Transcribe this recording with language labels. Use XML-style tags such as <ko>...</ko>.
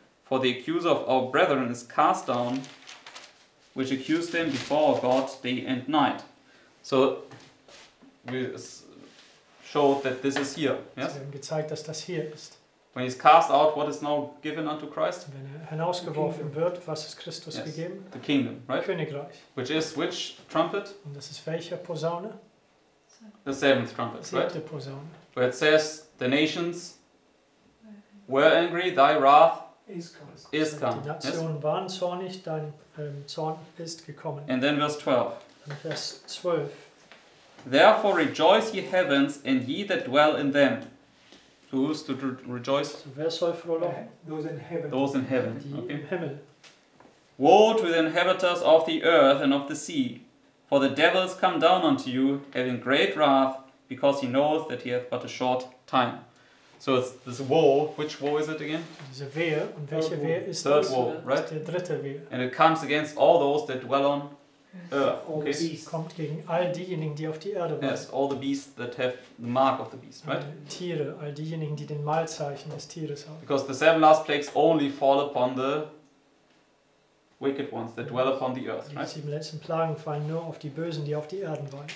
<en>For the accuser of our brethren is cast down, which accused them before God day and night. So we show that this is here. Yes?</en> <de>Sie haben gezeigt, dass das hier ist.</de> <en>When he's cast out, what is now given unto Christ?</en> <de>Wenn er hinausgeworfen wird, was ist Christus gegeben?</de> <en>The kingdom, right?</en> <de>Königreich.</de> <en>Which is which trumpet?</en> <de>Und das ist welche Posaune?</de> <en>The seventh trumpet,</en> <de>siebte</de> <en>right?</en> <de>Posaune.</de> <en>Where it says, the nations were angry, thy wrath is come. Is come.</en> <de>Die Nationen waren zornig, dein Zorn ist gekommen.</de> <en>And then verse 12.</en> <de>Und Vers 12.</de> <en>Therefore rejoice ye heavens, and ye that dwell in them. Who's to rejoice?</en> <de>So wer soll frohlocken?</de> <en>Those in heaven. Those in heaven.</en> <de>Die im Himmel.</de> <en>Woe to the inhabitants of the earth and of the sea, for the devil is come down unto you, having great wrath, because he knoweth that he hath but a short time. So it's this woe. Which woe is it again?</en> <de>Diese Wehe. Und welche Wehe ist das?</de> <en>Third woe, right?</en> <de>Der dritte Wehe.</de> <en>And it comes against all those that dwell on earth. All the beasts.</en> <de>Kommt gegen all diejenigen, die auf die Erde wohnen.</de> <en>Yes, all the beasts that have the mark of the beast, right?</en> <de>Tiere, all diejenigen, die den Malzeichen des Tieres haben.</de> <en>Because the seven last plagues only fall upon the wicked ones that dwell upon the earth, right?</en> <de>Die sieben letzten Plagen fallen nur auf die Bösen, die auf die Erde wollen.</de>